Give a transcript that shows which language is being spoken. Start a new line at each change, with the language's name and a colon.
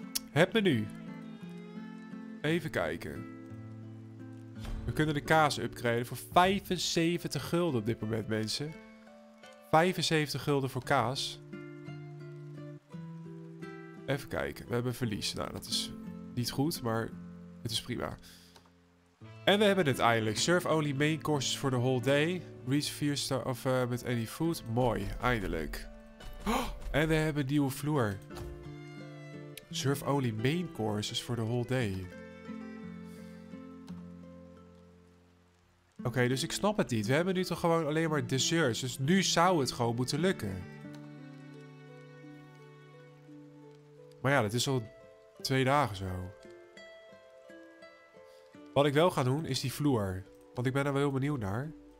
Dutch: Het menu. Even kijken. We kunnen de kaas upgraden voor 75 gulden op dit moment, mensen. 75 gulden voor kaas. Even kijken. We hebben verlies. Nou, dat is niet goed, maar het is prima. En we hebben het eindelijk.
English: Serve only main courses for the whole day. Reach 4 star of with any food.
Dutch: Mooi, eindelijk. En we hebben een nieuwe vloer.
English: Serve only main courses for the whole day.
Dutch: Oké, dus ik snap het niet. We hebben nu toch gewoon alleen maar desserts. Dus nu zou het gewoon moeten lukken. Maar ja, dat is al 2 dagen zo. Wat ik wel ga doen, is die vloer. Want ik ben er wel heel benieuwd naar.